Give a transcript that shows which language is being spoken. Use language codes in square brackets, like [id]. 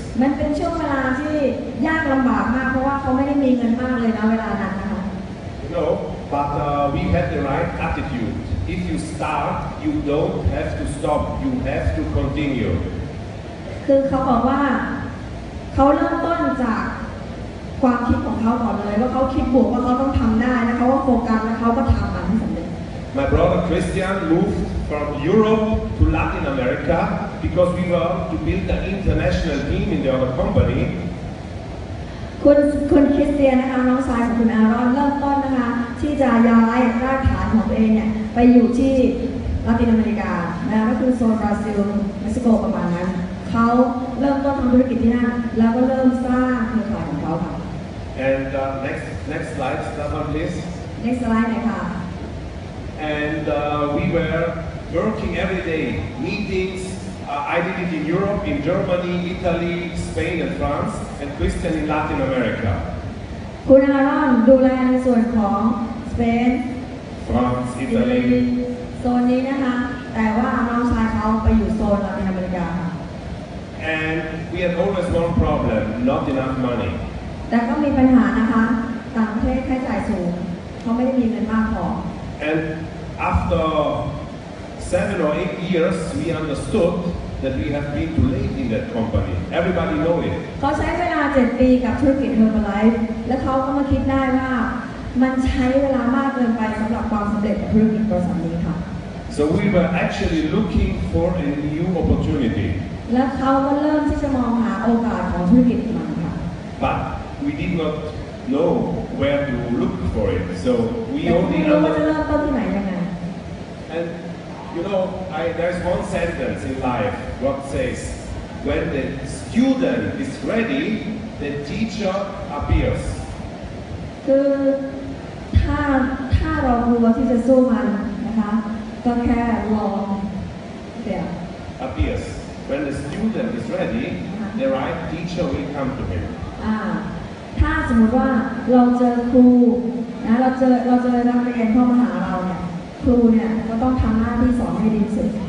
[th] มันเป็นช่วงเวลาที่ยากลำบากมากเพราะว่าเขาไม่ได้มีเงินมากเลยนะเวลานั้นนะคะ [en] No but we had the right attitude if you start you don't have to stop you have to continue [th] คือเขาบอกว่าเขาเริ่มต้นจากความคิดของเขาก่อนเลยว่าเขาคิดบวกว่าเขาต้องทำได้นะเขาก็โฟกัสแล้วเขาก็ทำมันให้สำเร็จ [en] My brother Christian movedFrom Europe to Latin America, because we were to build an international team in the other company. [th] คุณคริสเตียนนะคะน้องชายของคุณอารอนเริ่มต้นนะคะที่จะย้ายรากฐานของเองเนี่ยไปอยู่ที่ลาตินอเมริกานะก็คือโซนบราซิลเม็กซิโกประมาณนั้นเขาเริ่มต้นทำธุรกิจที่นั่นแล้วก็เริ่มสร้างเครือข่ายของเขาค่ะ [en] And next slide, please. Next slide, ค่ะ And we were. Working every day, meetings. I did it in Europe, in Germany, Italy, Spain, and France, and Christian in Latin America. [th] คุณอารอนดูแลส่วนของสเปน [en] France, Italy. [th] โซนนี้นะคะแต่ว่าน้องชายเขาไปอยู่โซนลาตินอเมริกาค่ะ [en] And we had always one problem, not enough money. [th] แต่ก็มีปัญหานะคะต่างประเทศค่าจ่ายสูงเขาไม่มีเงินมากพอ [en] And after 7 or 8 years we understood that we have been too late in that company everybody know it [th] เขาใช้เวลา7ปีกับธุรกิจ Herbalife แล้วเขาก็มาคิดได้ว่ามันใช้เวลามากเกินไปสําหรับความสําเร็จของธุรกิจบริษัทนี้ค่ะ [en] So we were actually looking for a new opportunity [th] และเขาก็เริ่มที่จะมองหาโอกาสของธุรกิจใหม่ค่ะ [en] But we did not know where to look for it so we only know [th] ว่าจะเริ่มต้นที่ไหนยังไง [en] And you know there's one sentence in life what says when the student is ready the teacher appears [th] คือถ้าเรากลัวที่จะสู้มันนะคะก็แค่รอ [en] yeah appearsWhen the student is ready, the right teacher will come to him. [th] ถ้าสมมติว่าเราเจอครูนะเราเจอนักเรียนเข้ามาหาเราเนี่ยครูเนี่ยก็ต้องทำหน้าที่สอนให้ดีที่สุด